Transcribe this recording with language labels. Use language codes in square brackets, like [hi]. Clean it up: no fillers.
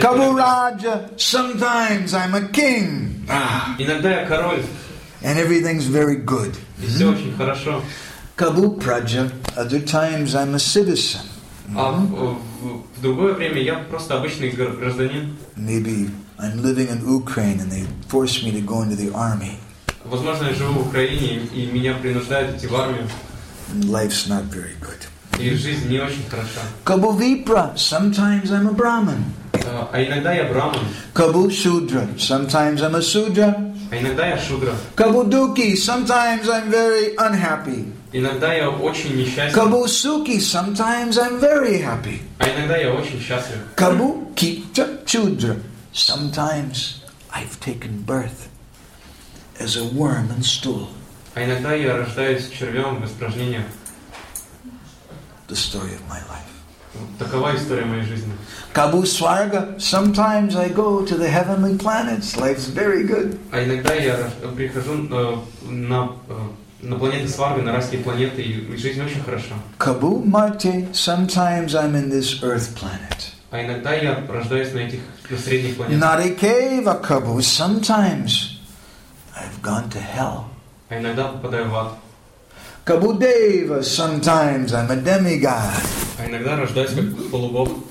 [bn] Kabu Raja, [en] sometimes I'm a king. [ru] Иногда я король. [en] And everything's very good. [ru] И все очень хорошо. [bn] Kabu Praja, [en] other times I'm a citizen. [ru] А в другое время я просто обычный гражданин. [en] Maybe I'm living in Ukraine and they force me to go into the army. [ru] Возможно, я живу в Украине и меня принуждают идти в армию. [en] Life's not very good. [ru] И жизнь не очень хороша. [bn] Kabu Vipra, [en] sometimes I'm a Brahmin. [ru] А иногда я Брахман. [bn] Kabu Shudra, [en] sometimes I'm a Shudra. [ru] А иногда я Шудра. [bn] Kabu Dukhi, [en] sometimes I'm very unhappy. [ru] Иногда я очень несчастен. [bn] Kabu Sukhi, [en] sometimes I'm very happy. [ru] А иногда я очень счастлив. [bn] Kabu Kita Shudra, [en] sometimes I've taken birth as a worm in stool. [ru] А иногда я рождаюсь червем в испражнениях. [en] The story of my life. [ru] Вот такова история моей жизни. [bn] Kabu Swarga, [en] sometimes I go to the heavenly planets. Life's very good. [ru] А иногда я прихожу на планеты Сварга, на райские планеты, и жизнь очень хороша. [bn] Kabu Marte, [en] sometimes I'm in this earth planet. [ru] А иногда я рождаюсь на этих на средних планетах. [bn] Narikeva Kabu, [en] sometimes I've gone to hell. [ru] А иногда попадаю в ад. [bn] Kabu Deva, [en] sometimes I'm a demigod. [ru] А иногда рождаюсь как полубог.